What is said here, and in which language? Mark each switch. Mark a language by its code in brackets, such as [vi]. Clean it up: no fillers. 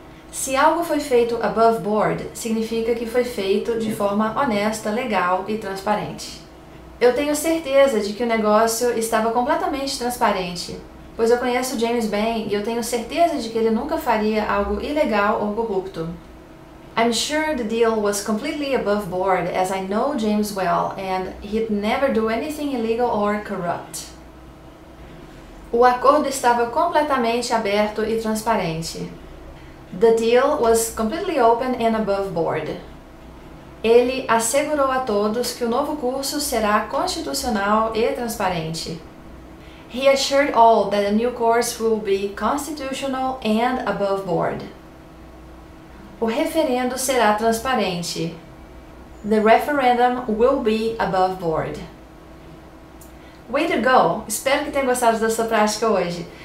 [pt] Se algo foi feito above board, significa que foi feito de forma honesta, legal e transparente. Eu tenho certeza de que o negócio estava completamente transparente, pois eu conheço James bem e eu tenho certeza de que ele nunca faria algo ilegal ou corrupto. [en] I'm sure the deal was completely above board, as I know James well, and he'd never do anything illegal or corrupt. [pt] O acordo estava completamente aberto e transparente. [en] The deal was completely open and above board. [pt] Ele assegurou a todos que o novo curso será constitucional e transparente. [en] He assured all that a new course will be constitutional and above board. [pt] O referendo será transparente. [en] The referendum will be above board. Way to go! [pt] Espero que tenha gostado da sua prática hoje.